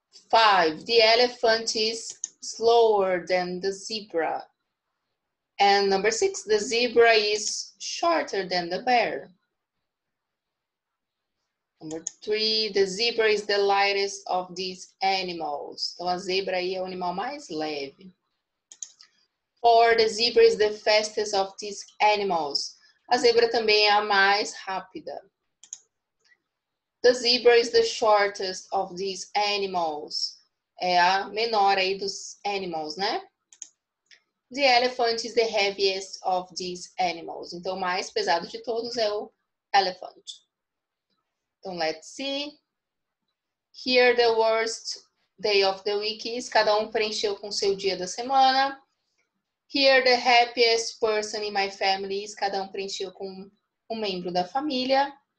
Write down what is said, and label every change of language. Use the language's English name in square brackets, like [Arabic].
[English] Five, the elephant is slower than the zebra. And number six, the zebra is shorter than the bear. Number three, the zebra is the lightest of these animals. [Portuguese] Então, a zebra aí é o animal mais leve. [English] Four, the zebra is the fastest of these animals. [Portuguese] A zebra também é a mais rápida. The zebra is the shortest of these animals. É a menor aí dos animals, né? [English] The elephant is the heaviest of these animals. [Portuguese] Então, o mais pesado de todos é o elephant. [English] Então, let's see. Here, the worst day of the week is. [Portuguese] Cada um preencheu com seu dia da semana. [English] Here, the happiest person in my family is. [Portuguese] Cada um preencheu com um membro da família.